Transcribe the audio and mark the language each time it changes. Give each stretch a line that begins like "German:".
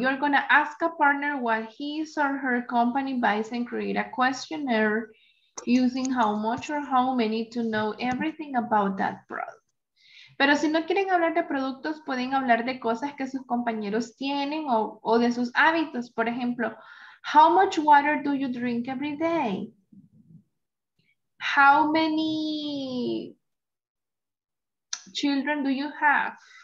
English: You're gonna ask a partner what his or her company buys and create a questionnaire using how much or how many to know everything about that product.
Spanish: Pero si no quieren hablar de productos, pueden hablar de cosas que sus compañeros tienen o de sus hábitos. Por ejemplo,
English: how much water do you drink every day? How many children do you have?